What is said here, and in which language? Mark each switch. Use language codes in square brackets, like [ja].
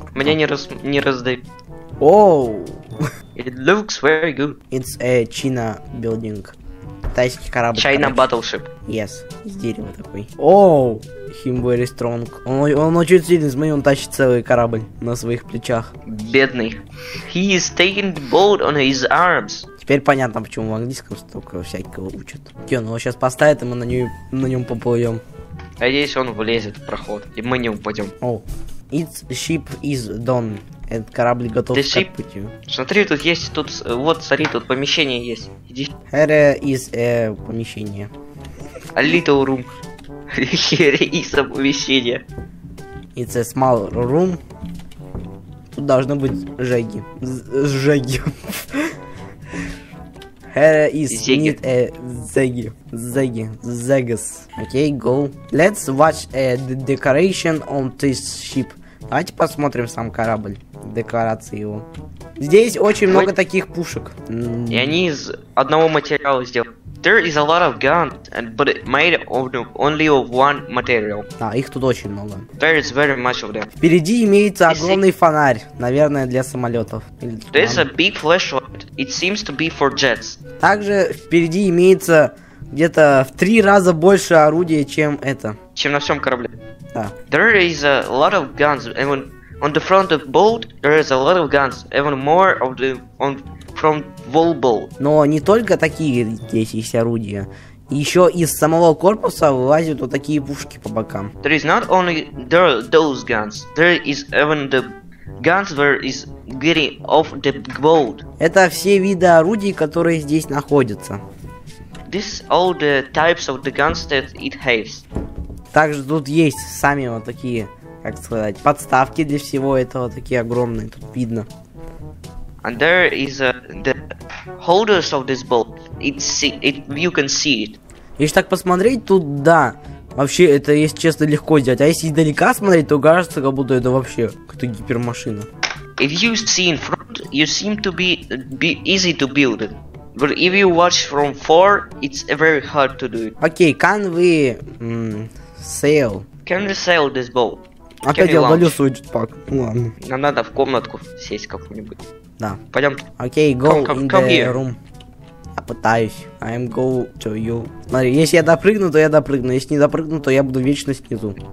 [ru] Меня не раздавит. Оу. [en] It looks very good. It's a China building. [ru] Китайский корабль. [en] China battleship. Yes. [ru] Из дерева такой. [en] Оу. Him very strong. [ru] Он очень сильный, смотри, он тащит целый корабль на своих плечах. Бедный. [en] He is taking the boat on his arms. [ru] Теперь понятно, почему в английском столько всякого учат. Где он его сейчас поставит, и мы на нем поплывем. Надеюсь, он влезет в проход, и мы не упадем. [en] О, its ship is done. [ru] Этот корабль готов к путю. Смотри, тут есть, тут, вот, смотри, тут помещение есть. Иди. [en] Here is a помещение. A little room. Here is a помещение. It's a small room. [ru] Тут должны быть жеги. Жеги. [en] Here is need a Zeggy. Zeggy. Zeggis. Okay, go. Let's watch the decoration on this ship. [ru] Давайте посмотрим сам корабль. Декорации его. Здесь очень много таких пушек. И они из одного материала сделаны. [en] There is a lot of guns, but made of only of one material. [ru] Да, их тут очень много. [en] There is very much of them. [ru] Впереди имеется огромный фонарь. Наверное, для самолетов. [en] There is a big flashlight. It seems to be for jets. [ru] Также впереди имеется где-то в 3 раза больше орудия, чем это. Чем на всем корабле. Да. [en] There is a lot of guns. Even on the front of boat, there is a lot of guns. Even more of the on from wall boat. [ru] Но не только такие здесь есть орудия. Еще из самого корпуса вылазят вот такие пушки по бокам. [en] There is not only there are those guns. There is even the guns where is getting off the boat. [ru] Это все виды орудий, которые здесь находятся. [en] This all the types of the guns that it has. [ru] Также тут есть сами вот такие, как сказать, подставки для всего этого, такие огромные, тут видно. [en] And there is the holders of this boat. You can see it. [ru] Если так посмотреть, тут да. Вообще, это, если честно, легко сделать. А если издалека смотреть, то кажется, как будто это вообще какая-то гипермашина. [en] If you see in front, you seem to be easy to build it. But if you watch from far, it's very hard to do it. Окей, can we sail? Can we sail this boat? [ru] Опять я удалю свой джетпак. Ну ладно. Нам надо в комнатку сесть какую-нибудь. Да. Пойдем. [en] Окей, go in the room. [ru] Я пытаюсь. [en] I'm go to you. [ru] Смотри, если я допрыгну, то я допрыгну. Если не допрыгну, то я буду вечно снизу.